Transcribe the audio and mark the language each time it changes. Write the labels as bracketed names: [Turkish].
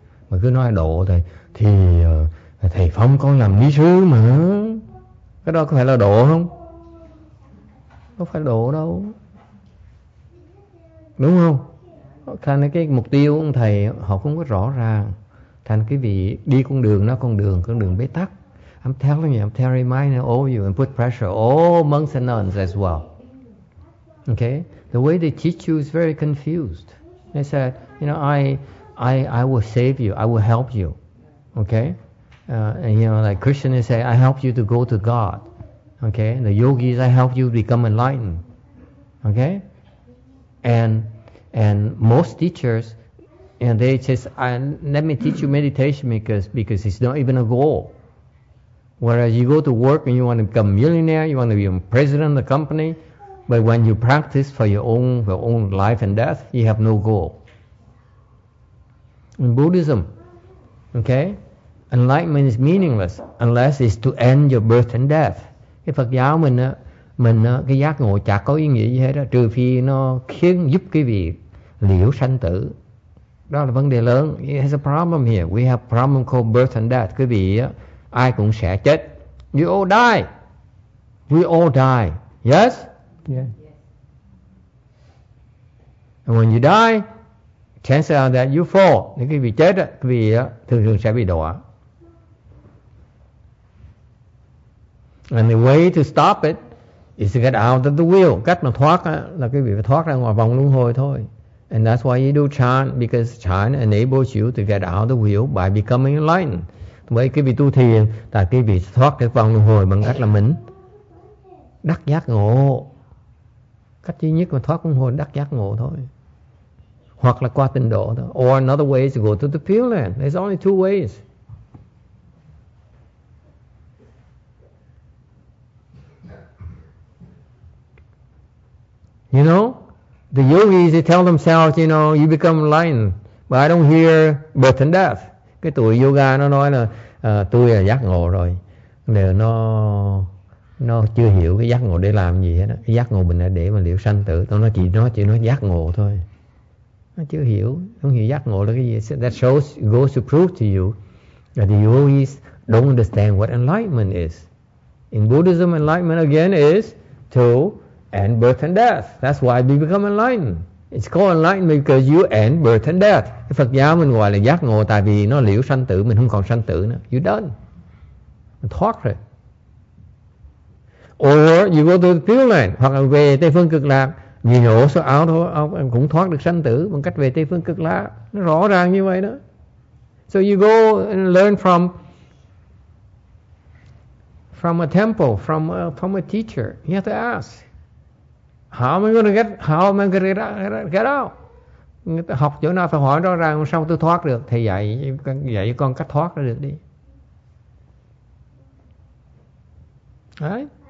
[Vietnamese] Mà cứ nói độ thì thầy Phong con làm lý sứ mà, cái đó có phải là độ không? Không phải độ đâu, đúng không? Thành cái mục tiêu của ông thầy họ không có rõ ràng, thành cái vị đi con đường nó con đường bế tắc. [English] I'm telling you, I'm reminding all you and put pressure all monks and nuns as well. Okay, the way they teach you is very confused. They said, you know, I will save you, I will help you. Okay, and you know, like Krishna say, I help you to go to God. Okay, and the yogis, I help you become enlightened. Okay, and most teachers, you know, they just let me teach you meditation because it's not even a goal. Whereas you go to work and you want to become a millionaire, you want to be a president of the company, but when you practice for your own life and death, you have no goal. In Buddhism, okay, enlightenment is meaningless unless it's to end your birth and death. [Vietnamese] Cái Phật giáo mình cái giác ngộ chả có ý nghĩa gì hết đó, trừ phi nó khiến giúp cái vị liễu sanh tử. Đó là vấn đề lớn. [English] It has a problem here. We have problem called birth and death. [Vietnamese] Cái vị ai cũng sẽ chết. [English] We all die. We all die. Yes? Yeah. And when you die, chances are that you fall. [Vietnamese] Nếu cái vị chết, cái vị thường thường sẽ bị đọa. [English] And the way to stop it is to get out of the wheel. [Vietnamese] Cách mà thoát là cái vị phải thoát ra ngoài vòng luân hồi thôi. [English] And that's why you do chan, because chan enables you to get out of the wheel by becoming enlightened. [Vietnamese] Bởi cái vị tu thiền là cái vị thoát cái vòng luân hồi bằng cách là mình đắc giác ngộ. Cách duy nhất mà thoát luân hồi đắc giác ngộ thôi. Hoặc là qua tịnh độ thôi. [English] Or another way is to go to the Pure Land. There's only two ways. You know, the yogis, they tell themselves, you know, you become enlightened. But I don't hear birth and death. [Vietnamese] Cái tuổi yoga nó nói là tôi là giác ngộ rồi, nên nó chưa hiểu cái giác ngộ để làm gì hết đó. Cái giác ngộ mình là để mà liệu sanh tử, tôi nói chỉ nói giác ngộ thôi, nó chưa hiểu, không hiểu giác ngộ là cái gì. [English] So that shows goes to prove to you that the yogis don't understand what enlightenment is. In Buddhism, enlightenment again is to end birth and death. That's why we become enlightened. It's called enlightenment because you end birth and death. [Vietnamese] Cái Phật giáo mình gọi là giác ngộ tại vì nó liễu sanh tử, mình không còn sanh tử nữa. [English] You're done. [Vietnamese] Mình thoát rồi. [English] Or you go to the Pure Land, [Vietnamese] hoặc là về Tây Phương Cực Lạc. [English] You know, so out of, [Vietnamese] cũng thoát được sanh tử bằng cách về Tây Phương Cực Lạc. Nó rõ ràng như vậy đó. [English] So you go and learn from a temple, from a teacher. You have to ask. How am I going to get out? [Vietnamese] Người ta học chỗ nào phải hỏi rõ ràng sao tôi thoát được. Thầy dạy con cách thoát ra được đi. Đấy.